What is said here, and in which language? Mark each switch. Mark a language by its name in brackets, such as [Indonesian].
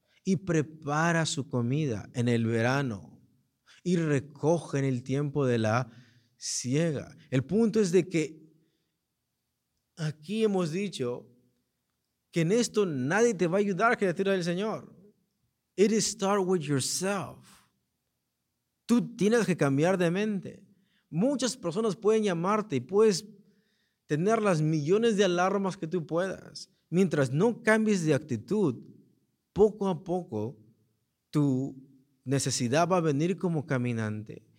[Spanish] y prepara su comida en el verano y recoge en el tiempo de la siega. El punto es de que aquí hemos dicho que en esto nadie te va a ayudar, criatura del Señor. [English] It starts with yourself. [Spanish] Tú tienes que cambiar de mente. Muchas personas pueden llamarte y puedes tener las millones de alarmas que tú puedas. Mientras no cambies de actitud, poco a poco tu necesidad va a venir como caminante.